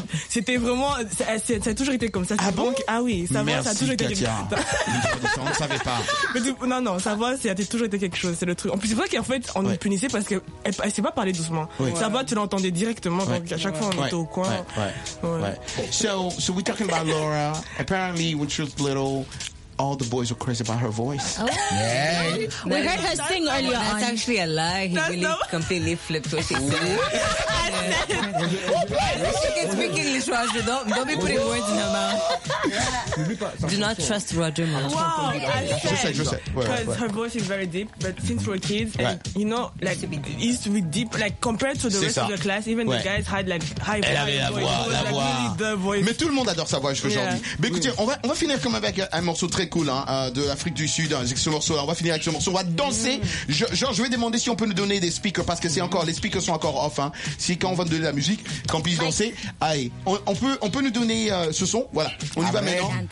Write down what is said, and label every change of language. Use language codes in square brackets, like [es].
[fr] C'était vraiment. Ça a toujours été comme ça. Ah bon? Donc, ah oui, sa voix, merci, ça a toujours Katia. Été. Merci, Katia. On ne savait pas. Non, sa voix, ça a toujours été quelque chose. C'est le truc. En plus, c'est vrai qu'en fait, on nous punissait parce qu'elle ne sait pas parler doucement. Oui. Sa voix, tu l'entendais directement. Donc, à chaque fois, on était au coin. [en] So, we're talking about Laura. Apparently, when she was little. All the boys were crazy about her voice. Oh. Yeah. We heard her sing earlier. That's actually a lie. He really completely flipped what she said. She can speak English, Roger. Don't be putting words in her mouth. Do not trust Roger much. Wow. Just say. Because her voice is very deep, but since we're kids, and you know, like, it used to be deep. Like, compared to the rest of the class, even the guys had, like, high [fr] voice. Elle avait la voix. [en] Voice. [fr] La voix. [en] Like, really, [fr] mais tout le monde adore sa voix aujourd'hui. Yeah. Mais écoutez, on va finir comme avec un morceau très cool hein, de l'Afrique du Sud avec ce morceau là. On va finir avec ce morceau, on va danser. Je vais demander si on peut nous donner des speakers parce que c'est encore les speakers sont encore off hein. C'est quand on va nous donner la musique qu'on puisse danser. Allez, on peut nous donner ce son, voilà, on y va maintenant.